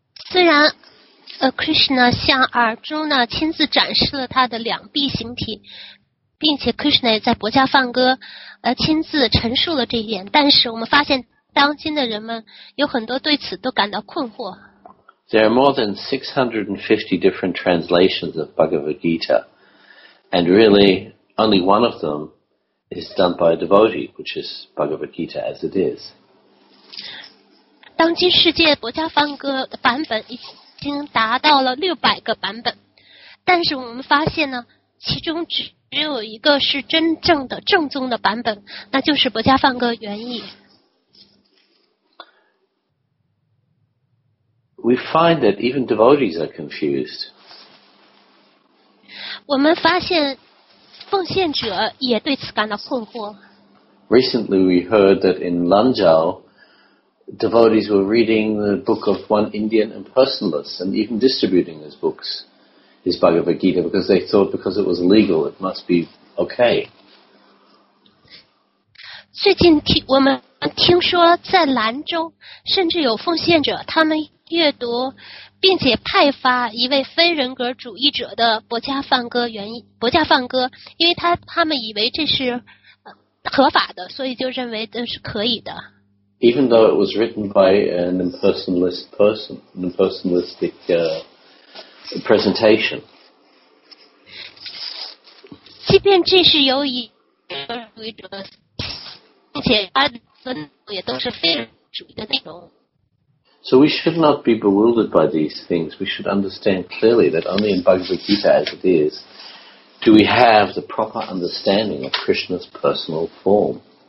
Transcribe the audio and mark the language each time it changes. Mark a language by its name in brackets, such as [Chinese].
[Chinese] 虽然Krishna 向 Arjuna 亲自展示了他的两臂形体，并且 Krishna 也在《波迦梵歌》亲自陈述了这一点，但是我们发现当今的人们有很多对此都感到困惑。 [English] There are more than 650 different translations of Bhagavad Gita, and really only one of them is done by a devotee, which is Bhagavad Gita as it is. [Chinese] 当今世界博迦梵歌的版本已经达到了600个版本，但是我们发现呢，其中只有一个是真正的正宗的版本，那就是博迦梵歌原意。 [English] We find that even devotees are confused. [Chinese] 我们发现奉献者也对此感到困惑。 [English] Recently we heard that in Lanzhou,devotees were reading the book of one Indian impersonalist and even distributing his books, his Bhagavad Gita, because they thought because it was legal, it must be okay. [Chinese] 最近我们听说在兰州甚至有奉献者他们阅读并且派发一位非人格主义者的博迦梵歌，因为他们以为这是合法的，所以就认为这是可以的。 [English] Even though it was written by an impersonalist person, an impersonalistic presentation. [Chinese] 即便这是由一个主义者，并且他的也都是非主义的内容。 [English] So we should not be bewildered by these things. We should understand clearly that only in Bhagavad Gita as it is, do we have the proper understanding of Krishna's personal form.